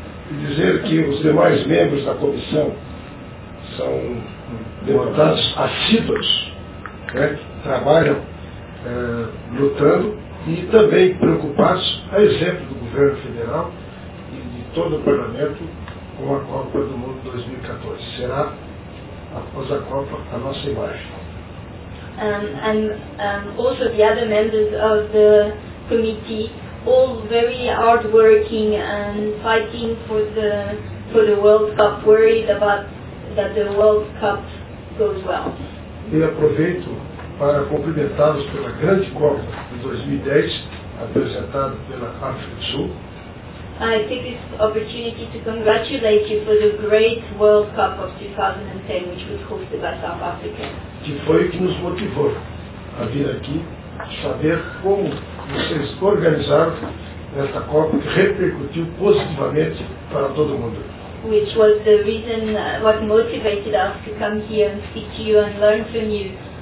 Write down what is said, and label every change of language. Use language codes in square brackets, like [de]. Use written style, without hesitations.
[pt] E dizer que os demais membros da comissão são deputados assíduos, né, que trabalham lutando e também preocupados, a exemplo do governo federal e de todo o parlamento, com a Copa do Mundo 2014. Será após a Copa, a nossa imagem. [en] Also the other members of the committee, all very hardworking and fighting for the World Cup, worried about that the World Cup goes well. [pt] E aproveito para cumprimentá-los pela grande Copa de 2010, apresentada pela África do Sul. [en] I take this opportunity to congratulate you for the great World Cup of 2010, which was hosted by South Africa. [pt] Que foi o que nos motivou a vir aqui, saber como vocês organizaram esta Copa que repercutiu positivamente para todo mundo. [en] Which was the reason, what motivated us to come here and speak to you and learn from you.